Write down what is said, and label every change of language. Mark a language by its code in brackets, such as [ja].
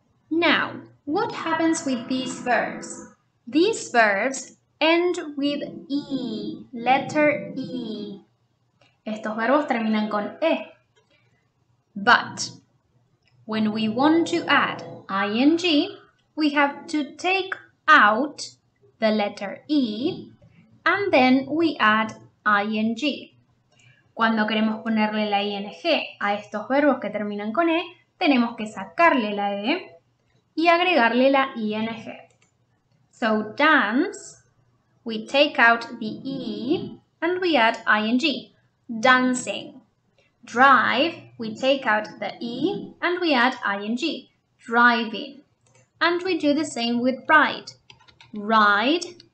[en] Now, what happens with these verbs? These verbs end with E, letter E. [es] Estos verbos terminan con E. [en] But when we want to add ing, we have to take out the letter E. And then we add ing. [es] Cuando queremos ponerle la ing a estos verbos que terminan con e, tenemos que sacarle la e y agregarle la ing. [en] So dance, we take out the e and we add ing. Dancing. Drive, we take out the e and we add ing. Driving. And we do the same with ride. Ride.